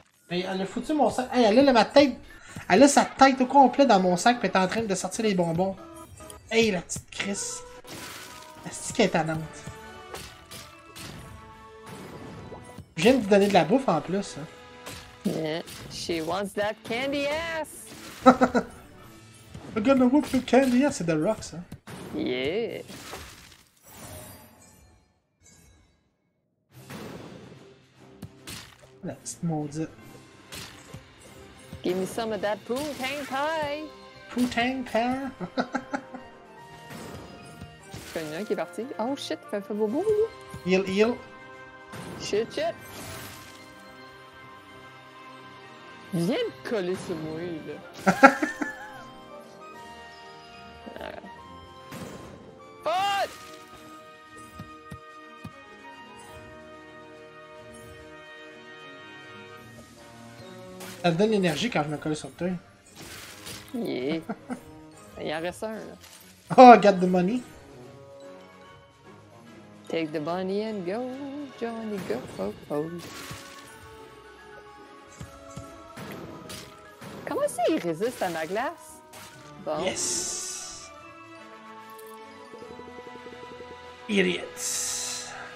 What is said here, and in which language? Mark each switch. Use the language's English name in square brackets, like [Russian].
[French] Mais elle a foutu mon sac. Hey, elle a ma tête. Elle a sa tête au complet dans mon sac, puis elle est en train de sortir les bonbons. Hey, la petite Chris. Est-ce qu'elle est étonnante? Je viens de vous donner de la bouffe en plus. Hein. [English] She wants that candy ass! I'm gonna whoop the candy ass at the rocks, hein. Yeah. [French] La petite maudite. [English] Give me some of that poutang pie. Poutang pie. [French] Il y en a un qui est parti. [English] Oh shit, [French] il fait bobo. [English] Heal, heal. [French] Chut, chut! Viens me coller sur moi, là. Ça me donne l'énergie quand je me colle sur toi. Yeah. Il en reste un, là. [English] Oh, get the money. Take the money and go, Johnny, go, ho, ho. [French] Comment ça, il résiste à ma glace? [English] Bon. Yes! Idiots!